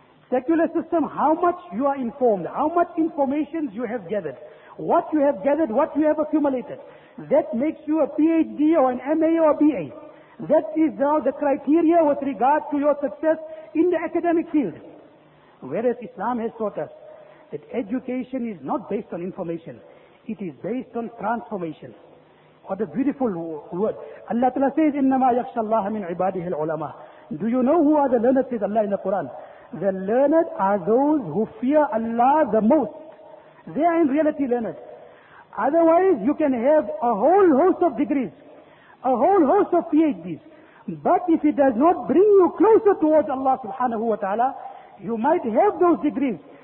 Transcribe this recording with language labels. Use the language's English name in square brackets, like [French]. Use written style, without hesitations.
[English] Secular system, how much you are informed, how much information you have gathered, what you have gathered, what you have accumulated, that makes you a PhD or an MA or BA. That is now the criteria with regard to your success in the academic field. Whereas Islam has taught us that education is not based on information. It is based on transformation. What a beautiful word. Allah Ta'ala says, [Arabic] إِنَّمَا يَخْشَى اللَّهَ مِنْ عِبَادِهِ الْعُلَمَىٰ. [English] Do you know who are the learned, says Allah in the Quran? The learned are those who fear Allah the most. They are in reality learned. Otherwise, you can have a whole host of degrees, a whole host of PhDs. But if it does not bring you closer towards Allah subhanahu wa ta'ala, you might have those degrees.